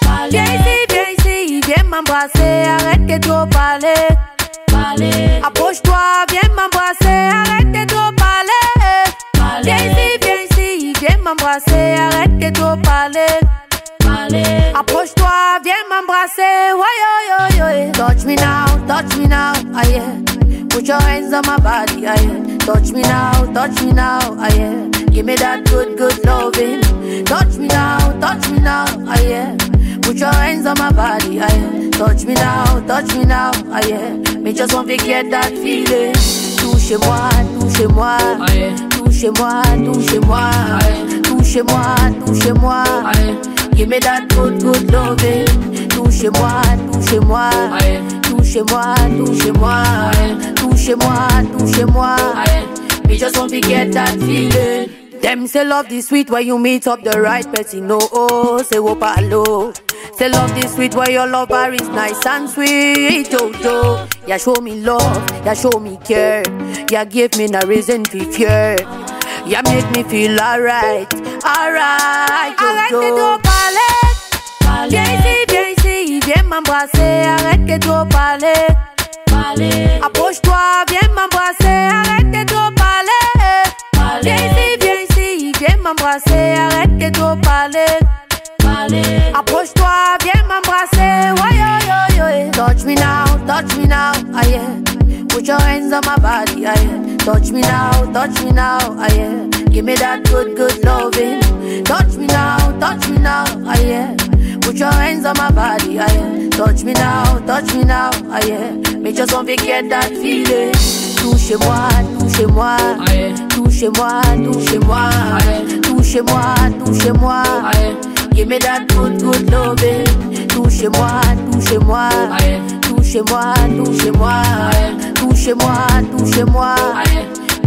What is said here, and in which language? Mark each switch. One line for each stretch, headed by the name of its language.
French: Viens ici, viens m'embrasser. Arrête de trop parler. Approche-toi, viens m'embrasser. Arrête de trop parler. Viens ici, viens m'embrasser. Arrête de trop parler. Approche-toi, viens m'embrasser.
English: Oh, yo, yo, yo. Touch me now, ah, yeah. Put your hands on my body, ah, yeah. Touch me now, ah, yeah. Give me that good, good loving. Touch me now, ah, yeah. Put your hands on my body, ah, yeah. Touch me now, ah, yeah. Me just won't forget that feeling.
French: Touchez-moi, touchez-moi, ah, yeah. Touchez-moi, touchez-moi, ah, yeah. Touchez-moi, touchez-moi, ah, yeah.
English: Give me that good, good loving.
French: Touchez-moi, touchez-moi, ah, yeah. Touchez-moi, touchez-moi, ah, yeah. Touchez-moi, touchez-moi, ah, yeah.
English: Me just won't forget that feeling. Them say love this sweet when you meet up the right person. No, oh, say whoopa hello. Say love this sweet when your lover is nice and sweet. Yo, yo. Ya show me love, ya show me care. Ya give me no reason to fear. Ya make me feel alright, alright.
French: Arrête de trop parler. Viens ici, viens m'embrasser. Arrête de trop parler. Approche-toi, viens m'embrasser. Arrête de trop parler. Viens ici, viens m'embrasser. Arrête de trop parler. Approche-toi, viens m'embrasser.
English: Ouais, yo, yo, yo. Touch me now, ah, yeah. Put your hands on my body, ah, yeah. Touch me now, ah, yeah. Give me that good, good loving. Touch me now, ah, yeah. Put your hands on my body, ah, yeah. Touch me now, ah, yeah. Me just won't forget that feeling.
French: Touchez-moi, touchez-moi, ah, yeah. Touchez-moi, touchez-moi, ah, yeah. Touchez-moi, touchez-moi, ah, yeah.
English: Give me that good, good loving.
French: Touchez-moi, touchez-moi, ah, yeah. Touchez-moi, touchez-moi, ah, yeah. Touchez-moi, touchez-moi, ah, yeah.